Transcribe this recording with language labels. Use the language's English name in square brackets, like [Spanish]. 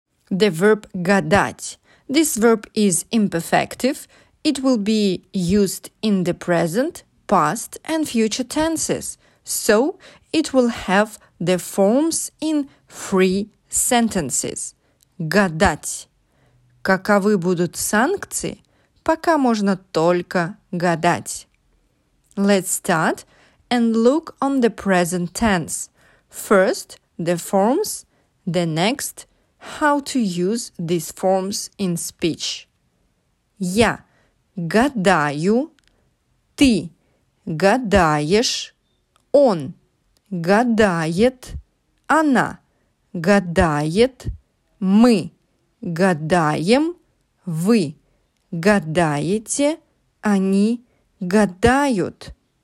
[English] The verb гадать. This verb is imperfective. It will be used in the present, past, and future tenses, so it will have the forms in three sentences. [Russian] Гадать. Каковы будут санкции? Пока можно только гадать. [English] Let's start and look on the present tense. First, the forms, the next, how to use these forms in speech. [Russian] Я. Гадаю, ты гадаешь, он гадает, она гадает, мы гадаем, вы гадаете, они гадают.